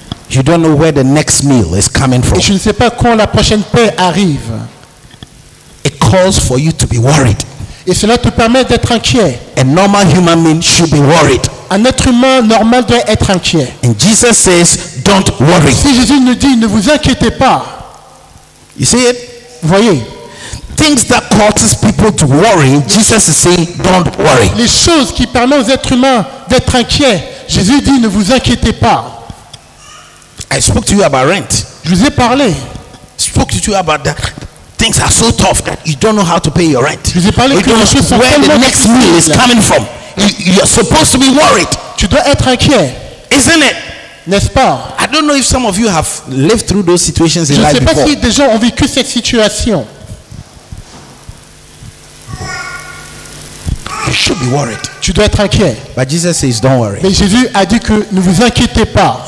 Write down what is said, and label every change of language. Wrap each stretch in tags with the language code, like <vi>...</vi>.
<en>You don't know where the next meal is coming from.</en> <fr>Et je ne sais pas quand la prochaine paix arrive.</fr> <en>It calls for you to be worried.</en> <fr>Et cela te permet d'être inquiet.</fr> <en>A normal human being should be worried.</en> <fr>Un être humain normal doit être inquiet.</fr> <en>And Jesus says, don't worry.</en> <fr>Si Jésus nous dit, ne vous inquiétez pas.</fr> <en>You see it?</en> <fr>Vous voyez?</fr> <en>Things that causes people to worry, Jesus is saying, don't worry.</en> <fr>Les choses qui permettent aux êtres humains d'être inquiets, Jésus dit, ne vous inquiétez pas.</fr> <en>I spoke to you about rent.</en> <fr>Je vous ai parlé.</fr> <en>Spoke to you about that. Things are so tough that you don't know how to pay your rent.</en> <fr>Je vous ai parlé</fr> <en>you</en> <fr>que les choses sont tellement</fr> <en>where the next meal is coming from. You're supposed to be worried.</en> <fr>Tu dois être inquiet.</fr> <en>Isn't it?</en> <fr>N'est-ce pas?</fr> <en>I don't know if some of you have lived through those situations in</en> <fr>je</fr> <en>life before.</en> <fr>Je ne sais pas si des gens ont vécu cette situation.</fr> <en>You should be worried.</en> <fr>Tu dois être inquiet.</fr> <en>But Jesus says, don't worry.</en> <fr>Mais Jésus a dit que ne vous inquiétez pas.</fr>